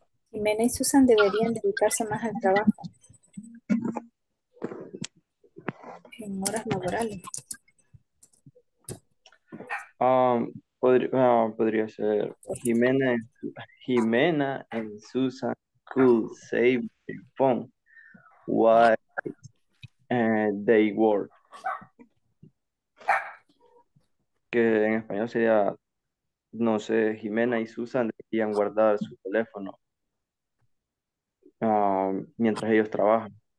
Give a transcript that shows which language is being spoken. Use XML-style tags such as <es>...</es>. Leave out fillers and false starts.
<es>Jimena y Susan deberían dedicarse más al trabajo en horas laborales. Podría ser</es> <en>Jimena and Susan could save their phone while they work.</en> <es>Que en español sería, no sé, Jimena y Susan deberían guardar su teléfono mientras ellos trabajan.</es>